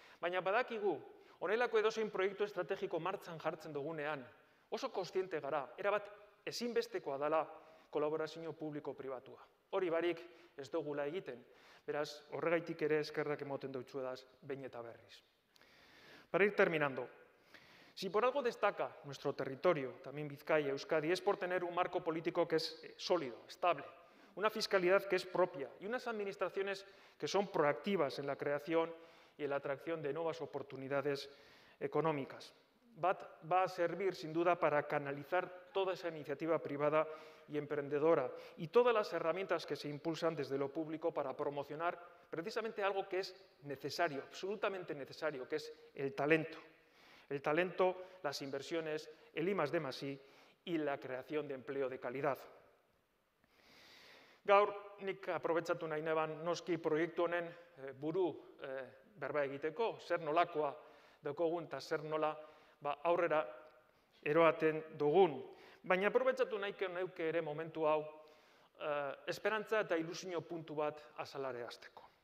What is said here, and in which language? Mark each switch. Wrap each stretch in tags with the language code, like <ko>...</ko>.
<eu>Baina badakigu, honelako edozein proiektu estrategiko martxan jartzen dugunean, oso kontziente gara, era bat ezinbestekoa dela kolaborazio publiko-pribatua. Hori barik ez dugula egiten, beraz horregaitik ere eskerrak emoten dautxuedaz behin eta berriz.</eu> <es>Para ir terminando, si por algo destaca nuestro territorio, también Vizcaya, Euskadi, es por tener un marco político que es sólido, estable, una fiscalidad que es propia y unas administraciones que son proactivas en la creación y en la atracción de nuevas oportunidades económicas. Va a servir, sin duda, para canalizar toda esa iniciativa privada y emprendedora y todas las herramientas que se impulsan desde lo público para promocionar precisamente algo que es necesario, absolutamente necesario, que es el talento. El talento, las inversiones, el I+D+I y la creación de empleo de calidad.</es> <eu>Gaur, nik aprobetsatu nahi neban noski proiektu honen buru berba egiteko, zer nolakoa daukogun eta zer nola aurrera eroaten dugun. Baina aprobetsatu nahiko neuke ere momentu hau esperantza eta ilusio puntu bat azalarazteko.</eu>